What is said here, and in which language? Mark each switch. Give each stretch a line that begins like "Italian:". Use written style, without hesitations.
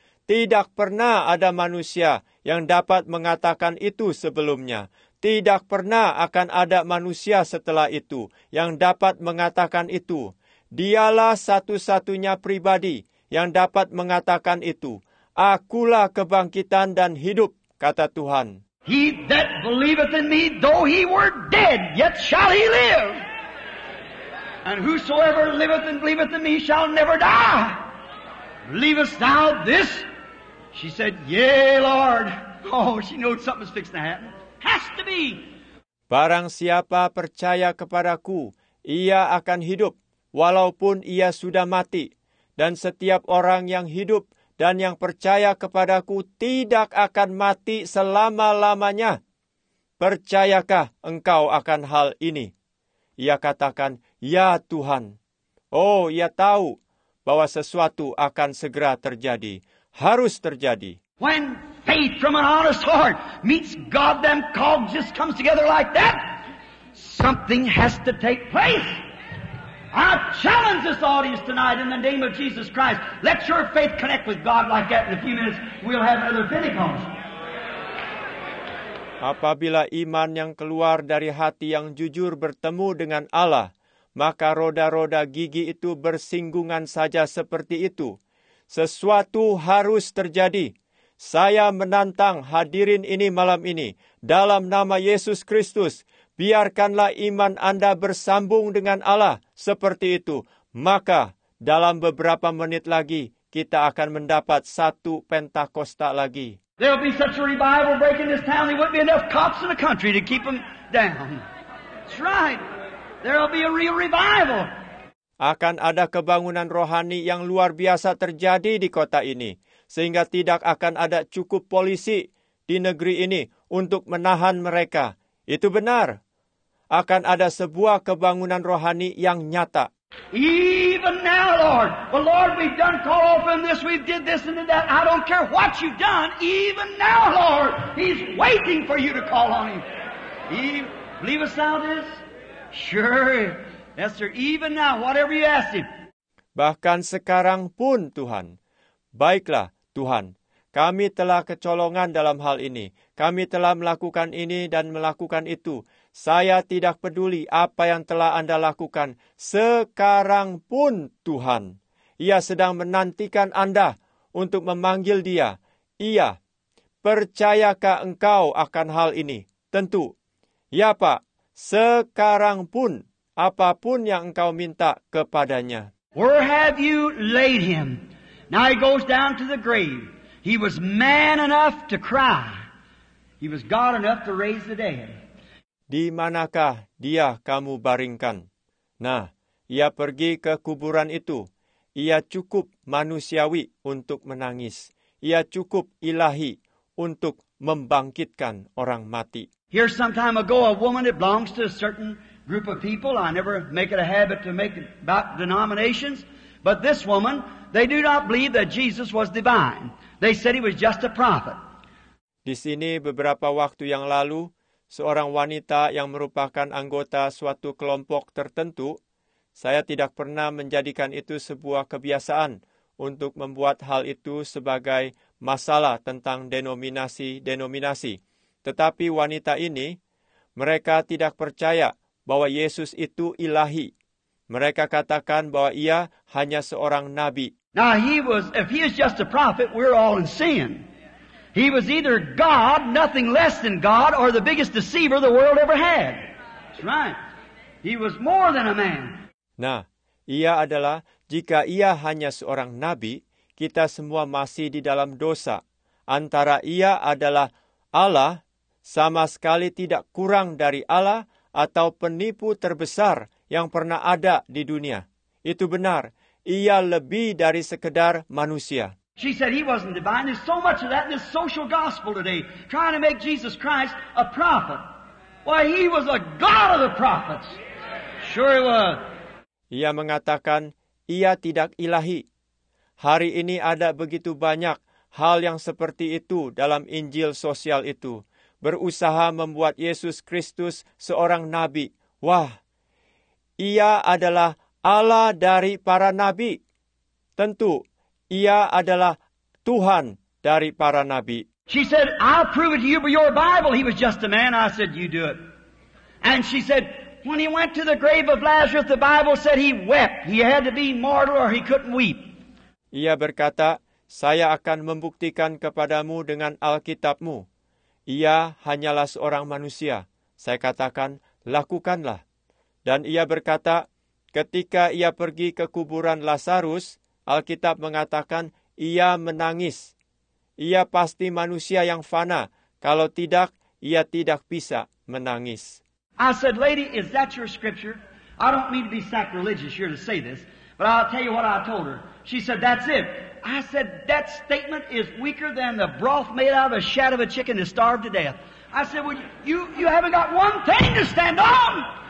Indonesian: Tidak pernah ada manusia yang dapat mengatakan itu sebelumnya. Tidak pernah akan ada manusia setelah itu yang dapat mengatakan itu. Dialah satu-satunya pribadi yang dapat mengatakan itu. Akulah kebangkitan dan hidup, kata Tuhan.
English: He that believeth in me, though he were dead, yet shall he live. And whosoever liveth and believeth in me shall never die. Believest thou this? She said, yea, Lord. Oh, she knows something's fixed to happen. Has to be.
Indonesian: Barang siapa percaya kepadaku, ia akan hidup, walaupun ia sudah mati. Dan setiap orang yang hidup dan yang percaya kepadaku tidak akan mati selama-lamanya. Percayakah engkau akan hal ini? Ia katakan, ya Tuhan. Oh, ia tahu bahwa sesuatu akan segera terjadi. Harus terjadi.
English: When faith from an honest heart meets God, them cogs just comes together like that. Something has to take place. I challenge this audience tonight in the name of Jesus Christ. Let your faith connect with God like that. In a few minutes, we'll have another Pentecost.
Indonesian: Apabila iman yang keluar dari hati yang jujur bertemu dengan Allah, maka roda-roda gigi itu bersinggungan saja seperti itu. Sesuatu harus terjadi. Saya menantang hadirin ini malam ini. Dalam nama Yesus Kristus, biarkanlah iman Anda bersambung dengan Allah seperti itu. Maka dalam beberapa menit lagi, kita akan mendapat satu Pentakosta lagi.
English: There'll be such a revival breaking this town, there wouldn't be enough cops in the country to keep them down. That's right. There'll be a real revival.
Indonesian: Akan ada kebangunan rohani yang luar biasa terjadi di kota ini, sehingga tidak akan ada cukup polisi di negeri ini untuk menahan mereka. Itu benar. Akan ada sebuah kebangunan rohani yang nyata.
English: Even now, Lord. Well, Lord, we've done call open this, we've did this and did that. I don't care what you've done. Even now, Lord, he's waiting for you to call on him. Believest thou this? Sure. Yes, sir. Even now, whatever you ask him.
Indonesian: Bahkan sekarang pun, Tuhan. Baiklah, Tuhan. Kami telah kecolongan dalam hal ini. Kami telah melakukan ini dan melakukan itu. Saya tidak peduli apa yang telah Anda lakukan. Sekarang pun, Tuhan. Ia sedang menantikan Anda untuk memanggil dia. Ia. Percayakah engkau akan hal ini? Tentu. Ya, Pak. Sekarang pun, apapun yang engkau minta kepadanya.
English: Where have you laid him? Now he goes down to the grave. He was man enough to cry. He was God enough to raise the dead.
Indonesian: Di manakah dia kamu baringkan? Nah, ia pergi ke kuburan itu. Ia cukup manusiawi untuk menangis. Ia cukup ilahi untuk membangkitkan orang mati.
English: Here some time ago, a woman that belongs to a certain group of people. I never make it a habit to make it about denominations. But this woman, they do not believe that Jesus was divine. They said he was just a prophet.
Indonesian: Di sini beberapa waktu yang lalu, seorang wanita yang merupakan anggota suatu kelompok tertentu, saya tidak pernah menjadikan itu sebuah kebiasaan untuk membuat hal itu sebagai masalah tentang denominasi-denominasi. Tetapi wanita ini, mereka tidak percaya bahwa Yesus itu ilahi. Mereka katakan bahwa ia hanya seorang nabi.
English: Now he was, if he is just a prophet, we're all in sin. He was either God, nothing less than God, or the biggest deceiver the world ever had. That's right. He was more than a man.
Indonesian: Nah, ia adalah, jika ia hanya seorang nabi, kita semua masih di dalam dosa. Antara ia adalah Allah, sama sekali tidak kurang dari Allah atau penipu terbesar yang pernah ada di dunia. Itu benar, ia lebih dari sekedar manusia.
English: She said he wasn't divine. There's so much of that in this social gospel today, trying to make Jesus Christ a prophet. Why, he was a God of the prophets. Sure he was.
Indonesian: Ia mengatakan, ia tidak ilahi. Hari ini ada begitu banyak hal yang seperti itu dalam Injil sosial itu. Berusaha membuat Yesus Kristus seorang nabi. Wah, ia adalah Allah dari para nabi. Tentu, ia adalah Tuhan dari para nabi.
English: She said, I'll prove it to you by your Bible. He was just a man. I said, you do it. And she said, when he went to the grave of Lazarus, the Bible said he wept. He had to be mortal or he couldn't weep.
Indonesian: Ia berkata, saya akan membuktikan kepadamu dengan Alkitabmu. Ia hanyalah seorang manusia. Saya katakan, lakukanlah. Dan ia berkata, ketika ia pergi ke kuburan Lazarus, Alkitab mengatakan, ia menangis. Ia pasti manusia yang fana. Kalau tidak, ia tidak bisa menangis.
English: I said, lady, is that your scripture? I don't mean to be sacrilegious here to say this, but I'll tell you what I told her. She said, that's it. I said, that statement is weaker than the broth made out of the shad of a chicken that starved to death. I said, well, you haven't got one thing to stand on.